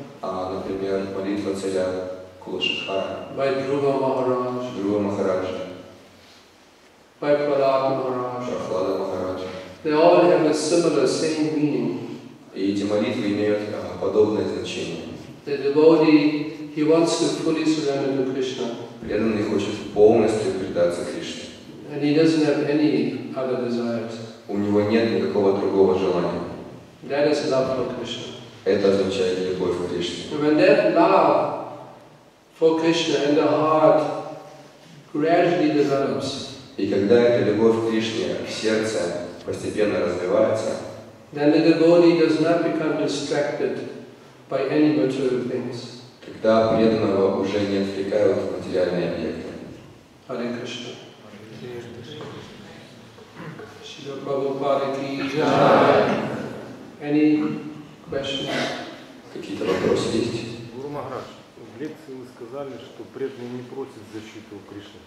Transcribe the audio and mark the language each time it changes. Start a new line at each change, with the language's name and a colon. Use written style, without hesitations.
Russian: Например, молитва царя Кулашекхара.
English: By Dhruva Maharaj. Dhruva Maharaj. By Prahlāda Maharaj. Prahlāda Maharaj. They all have a similar, same meaning.
Russian: И эти молитвы имеют подобное значение.
English: The devotee, he wants to fully surrender to Krishna.
Russian: Преданный хочет полностью предаться Кришне.
English: And he doesn't have any other desires.
Russian: У него нет никакого другого желания.
English: That is love for Krishna.
Russian: Это означает любовь к Кришне.
English: And when that love for Krishna in the heart gradually develops.
Russian: И когда эта любовь к Кришне в сердце постепенно развивается.
English: Then the devotee does not become distracted by any material things.
Russian: Когда преданного уже не отвлекают материальные объекты.
English: Hare Krishna. Śrīla Prabhupāda ki jai. Any questions?
Russian: Какие-то вопросы есть? Гуру Махарадж, в лекции вы сказали, что преданный не просит защиту у Кришны.